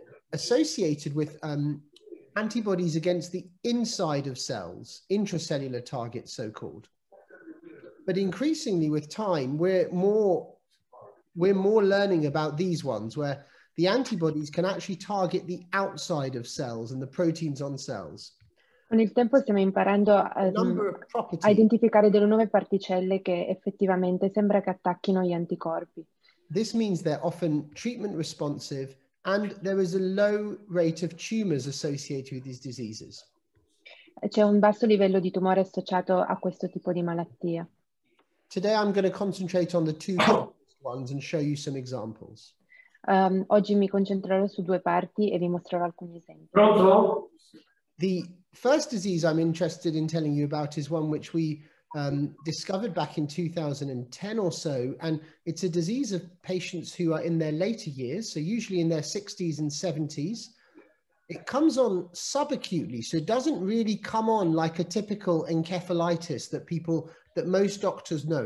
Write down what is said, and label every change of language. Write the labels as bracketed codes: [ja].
[en] associated with antibodies against the inside of cells, intracellular targets so-called. But increasingly with time we're more learning about these ones where the antibodies can actually target the outside of cells and the proteins on cells. [it] Con il tempo stiamo imparando a identificare delle nuove particelle che effettivamente sembra che attacchino gli anticorpi. [en] This means they're often treatment responsive and there is a low rate of tumors associated with these diseases. [it] C'è un basso livello di tumore associato a questo tipo di malattia. [en] Today I'm going to concentrate on the two ones and show you some examples. [it] Oggi mi concentrerò su due parti e vi mostrerò alcuni esempi. Pronto? [en] The first disease I'm interested in telling you about is one which we discovered back in 2010 or so, and it's a disease of patients who are in their later years, so usually in their 60s and 70s. It comes on subacutely, so it doesn't really come on like a typical encephalitis that most doctors know.